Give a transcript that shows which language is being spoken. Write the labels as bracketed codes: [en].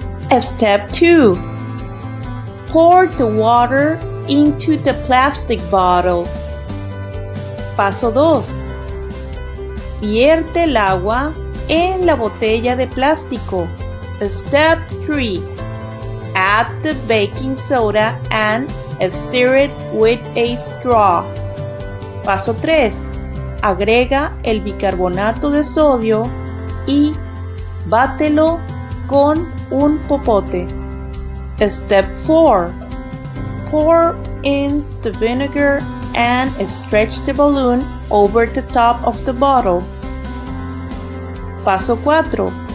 [en] Step 2. Pour the water into the plastic bottle. [es] Paso 2. Vierte el agua en la botella de plástico. [en] Step 3. Add the baking soda and stir it with a straw. [es] Paso 3. Agrega el bicarbonato de sodio y bátelo con un popote. [en] Step 4. Pour in the vinegar and stretch the balloon over the top of the bottle. [es] Paso 4.